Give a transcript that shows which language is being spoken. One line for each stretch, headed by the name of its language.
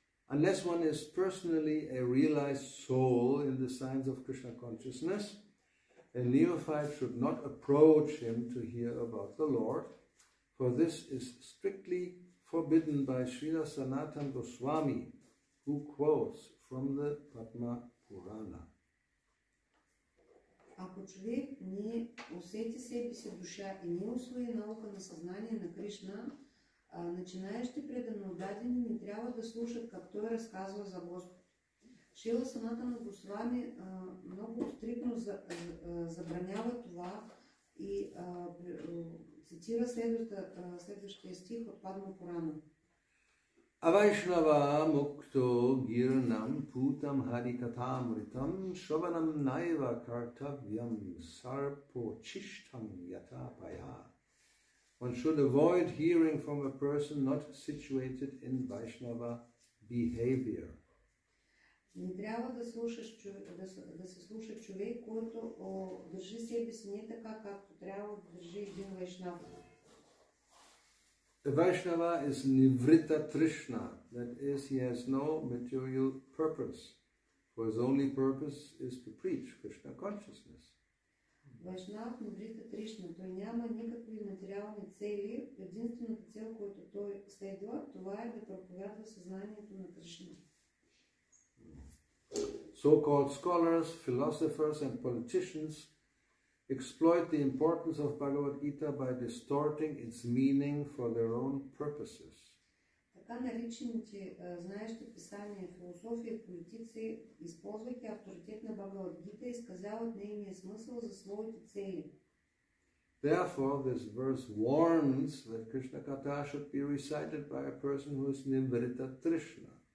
English: Unless one is personally a realized soul in the signs of Krishna consciousness, a neophyte should not approach him to hear about the Lord, for this is strictly forbidden by Srila Sanatan Goswami, who quotes from the Padma Purana.
Bulgarian: Ако човек не усети себе си душа и не усвои наука на съзнание на Кришна, начинаещи предано отдадени не трябва да слушат как той разказва за Господ. Шрила Санатана Госвами много стриктно забранява това и цитира следващия стих от Падма Пурана.
Sanskrit: Авайшнава мукто гирнам путам харикатам ритам шаванам найва картавьям сарпо чиштам ятапая.
English: One should avoid hearing from a person not situated in Vaishnava behavior.
Bulgarian: Не трябва да слушаш се слуша човек, който държи себе си не така, както трябва да държи един Вайшнава.
English: A Vaishnava is Nivritta Trishna, that is, he has no material purpose, for his only purpose is to preach Krishna consciousness.
Bulgarian: Vaishnava Nivritta Trishna, той няма никакви материални цели, единствената цел, която той следва, това е да проповядва съзнанието на Кришна.
English: So-called scholars, philosophers and politicians exploit the importance of Bhagavad Gita by distorting its meaning for their own purposes.
Bulgarian: Така наречените знаещи писания, философия, политици, използвайки авторитет на Бхагавад Гита, изказават нейния смисъл за своите цели.
English: Therefore, this verse warns that Krishna Katha should be recited by a person who is Nivritta Trishna.